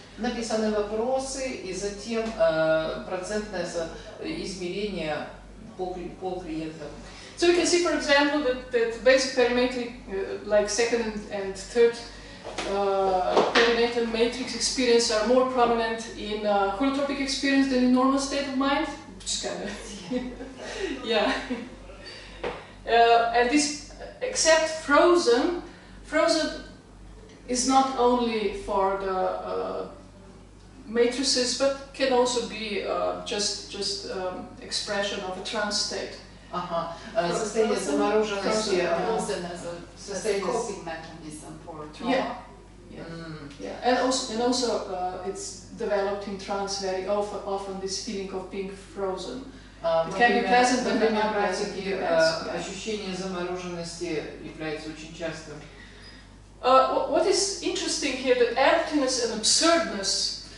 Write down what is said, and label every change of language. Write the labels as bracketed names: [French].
[Russian] Написаны вопросы, и затем процентное измерение по клиентам. [English] So we can see, for example, that basic perimetric, like second and third perimetric matrix experience are more prominent in holotropic experience than in normal state of mind. Just kind of, yeah. And this, except frozen is not only for the matrices, but can also be just expression of a trance state. [Russian] Состояние замороженности, состояние [English] coping mechanism for trauma. Yeah. And also it's developed in trance very often this feeling of being frozen. It can be pleasant, but then not pleasant. [Russian] Ощущение замороженности является очень частым. [English] What is interesting here, that emptiness and absurdness.